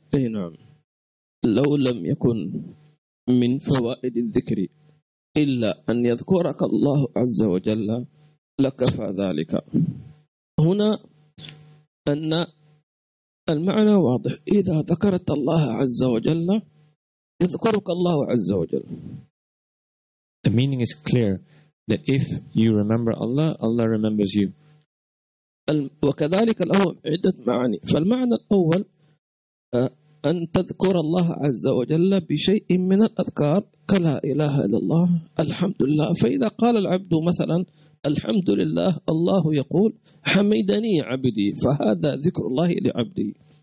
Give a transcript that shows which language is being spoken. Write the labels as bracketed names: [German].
[Arabic] أي نعم، لو لم يكن من فوائد الذكر إلا أن يذكرك الله عز وجل لكفى ذلك. هنا أن المعنى واضح، إذا ذكرت الله عز وجل يذكرك الله عز وجل. [English] The meaning is clear that if you remember Allah, Allah remembers you. [Arabic] وكذلك له عدة معاني. فالمعنى الأول أن تذكر الله عز وجل بشيء من الأذكار كلا إله إلا الله الحمد لله. فإذا قال العبد مثلا الحمد لله، الله يقول حمدني عبدي، فهذا ذكر الله لعبدي.